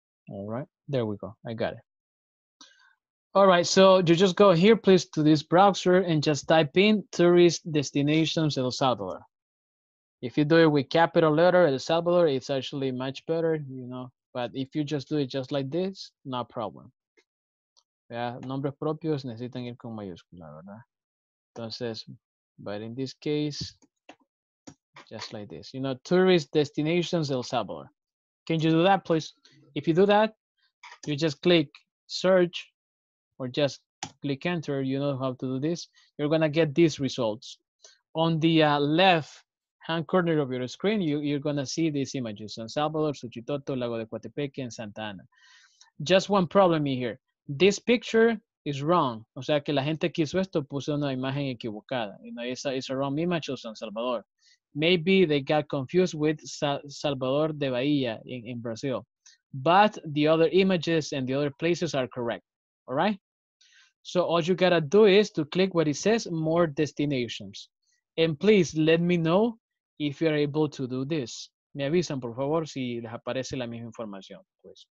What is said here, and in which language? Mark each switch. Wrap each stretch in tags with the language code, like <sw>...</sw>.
<en>All right, there we go, I got it. All right, so you just go here, please, to this browser and just type in tourist destinations El Salvador. If you do it with capital letter El Salvador, it's actually much better, you know, but if you just do it just like this, no problem.</en> <es>Yeah, nombres propios necesitan ir con mayúscula, ¿verdad? Entonces,</es> <en>But in this case, just like this, you know, tourist destinations El Salvador. Can you do that, please? If you do that, you just click search or just click enter. You know how to do this. You're going to get these results. On the left hand corner of your screen, you're going to see these images. San Salvador, Suchitoto, Lago de Coatepeque, and Santa Ana. Just one problem here. This picture is wrong.</en> <es>O sea, que la gente que hizo esto puso una imagen equivocada.</es> <en>You know, it's a wrong image of San Salvador. Maybe they got confused with Salvador de Bahia in Brazil. But the other images and the other places are correct. All right? So all you gotta do is to click what it says, more destinations. And please let me know if you're able to do this.</en> <es>Me avisan, por favor, si les aparece la misma información, pues.</es>